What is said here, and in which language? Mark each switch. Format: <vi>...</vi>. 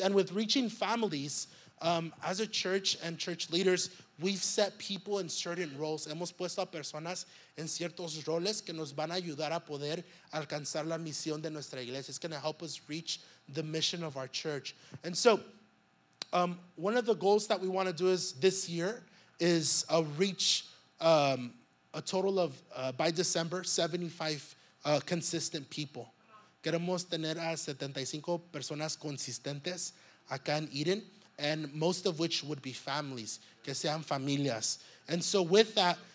<en>And with reaching families, as a church and church leaders, we've set people in certain roles.</en> <es>Hemos puesto a personas en ciertos roles que nos van a ayudar a poder alcanzar la misión de nuestra iglesia.</es> <en>It's going to help us reach the mission of our church. And so one of the goals that we want to do is this year is a reach a total of, by December, 75 consistent people.</en> <es>Queremos tener a 75 personas consistentes acá en Eden,</es> <en>and most of which would be families,</en> <es>que sean familias.</es> <en>And so with that,</en>